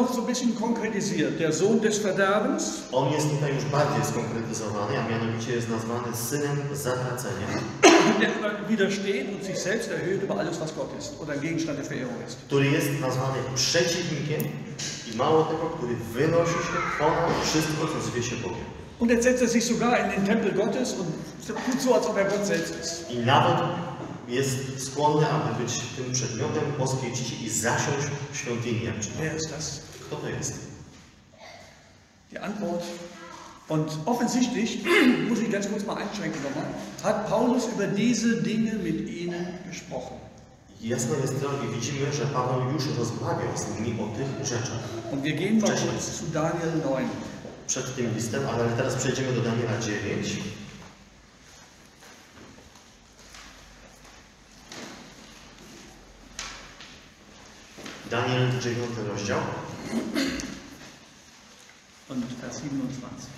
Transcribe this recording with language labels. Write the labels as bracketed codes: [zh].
[de] noch so ein bisschen konkretisiert, der Sohn des Verderbens. [pl] On jest tutaj już bardziej skonkretyzowany, a mianowicie jest nazwany synem zatracenia. [de] Der widersteht und sich selbst erhöht über alles, was Gott ist oder ein Gegenstand der Verehrung ist. [pl] Który jest nazwany przeciwnikiem i mało tego, który wynosi się ponad wszystko, co zwie się Bogiem. [de] Und er setzt sich sogar in den Tempel Gottes und tut so, als ob er Gott selbst ist. [pl] I nawet jest skłonny, aby być tym przedmiotem boskiej czci i zasiąść w świątyni. [de] Wer ist das? [pl] Kto to jest? [de] Die Antwort. Und offensichtlich, muss ich ganz kurz mal einschränken nochmal, hat Paulus über diese Dinge mit ihnen gesprochen. [pl] Jasne jest to, i widzimy, że Paweł już rozmawiał z nimi o tych rzeczach. [de] Und wir gehen mal kurz zu Daniel 9. [pl] Przed tym listem, ale teraz przejdziemy do Daniela 9. Daniel 9 rozdział. [de] Und Vers 27.